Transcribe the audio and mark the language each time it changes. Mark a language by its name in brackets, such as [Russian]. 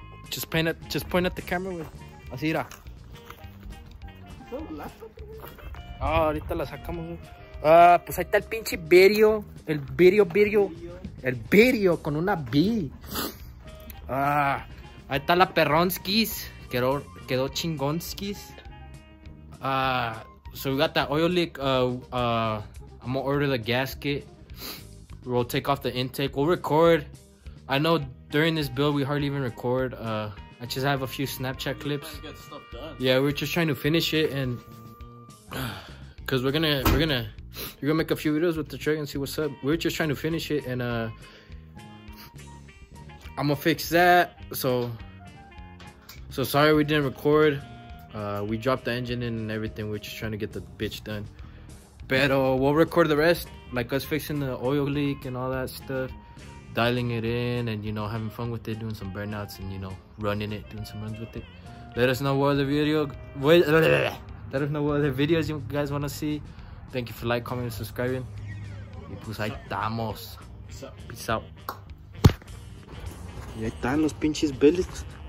[English] Just point at the camera with Asira. [Spanish] Ah, ahorita la sacamos. Ah, pues ahí está el pinche video. El video, video. El video con una B. Ah, ahí está la perronskis. Quedó chingonskis. [English] Ah, so we got that oil leak. I'm gonna order the gasket. We'll take off the intake. We'll record. I know during this build, we hardly even record. I just have a few Snapchat clips. Yeah, we're just trying to finish it and because we're gonna make a few videos with the truck and see what's up. We're just trying to finish it and I'm gonna fix that. So sorry we didn't record. We dropped the engine in and everything. We're just trying to get the bitch done. But we'll record the rest, like us fixing the oil leak and all that stuff. Dialing it in and, you know, having fun with it, doing some burnouts and, you know, running it, doing some runs with it. Let us know what other video, let us know what other videos you guys want to see. Thank you for like, commenting, and subscribing. [Spanish] Y pues ahí estamos. Peace out. Y ahí están los pinches billets.